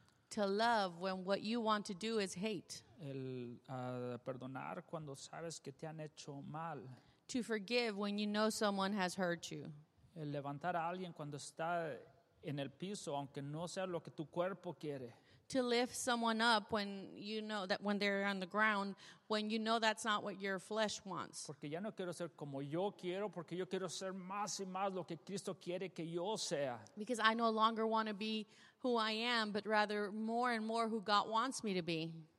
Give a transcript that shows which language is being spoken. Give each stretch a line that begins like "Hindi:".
English: To love when what you want to do is hate.
Spanish: El perdonar cuando sabes que te han hecho mal.
English: To forgive when you know someone has hurt you.
Spanish: El levantar a alguien cuando está en el piso aunque no sea lo que tu cuerpo quiere.
English: To lift someone up when you know that when they're on the ground, when you know that's not what your flesh wants.
Spanish: Porque ya no quiero ser como yo quiero, porque yo quiero ser más y más lo que Cristo quiere que yo sea.
English: Because I no longer want to be who I am, but rather more and more who God wants me to be.